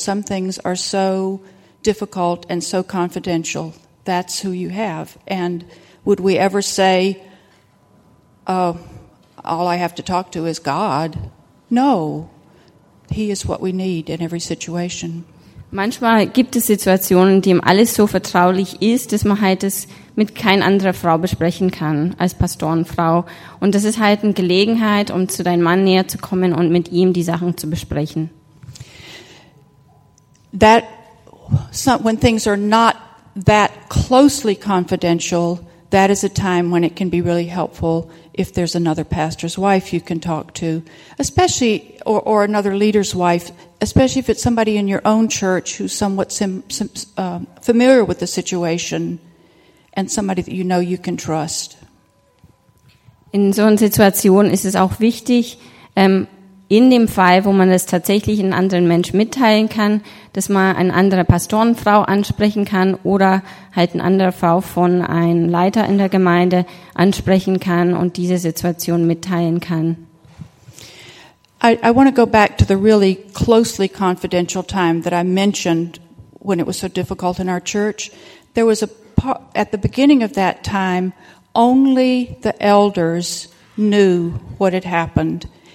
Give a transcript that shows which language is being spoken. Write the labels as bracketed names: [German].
[English] Some things are so difficult and so confidential. That's who you have. And would we ever say, all I have to talk to is God? No. He is what we need in every situation. [German] Manchmal gibt es Situationen, in denen alles so vertraulich ist, dass man halt es mit kein anderer Frau besprechen kann als Pastorenfrau. Und das ist halt eine Gelegenheit, um zu deinem Mann näher zu kommen und mit ihm die Sachen zu besprechen. [English] That when things are not that closely confidential, that is a time when it can be really helpful if there's another pastor's wife you can talk to, especially or another leader's wife. Especially if it's somebody in your own church who's somewhat familiar with the situation and somebody that you know you can trust. [German] In so einer Situation ist es auch wichtig, in dem Fall, wo man es tatsächlich einem anderen Mensch mitteilen kann, dass man eine andere Pastorenfrau ansprechen kann oder halt eine andere Frau von einem Leiter in der Gemeinde ansprechen kann und diese Situation mitteilen kann. [English] I want to go back to the really closely confidential time that I mentioned when it was so difficult in our church. There was at the beginning of that time, only the elders knew what had happened.